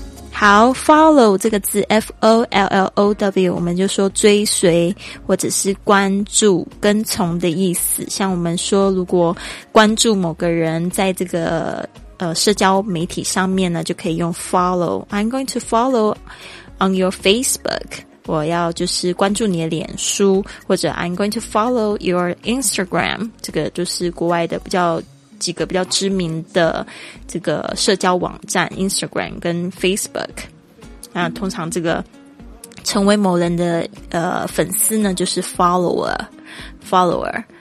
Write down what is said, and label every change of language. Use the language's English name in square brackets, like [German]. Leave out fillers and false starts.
[Chinese] 好 ,follow 这个字 ,F-O-L-L-O-W, 我们就说追随或者是关注跟从的意思。像我们说如果关注某个人在这个社交媒体上面呢，就可以用 follow。 [English] I'm going to follow on your Facebook. [Chinese] 我要就是关注你的脸书，或者 [English] I'm going to follow your Instagram， [Chinese] 这个就是国外的比较几个比较知名的这个社交网站 Instagram 跟 Facebook。那通常这个成为某人的粉丝呢，就是 follower。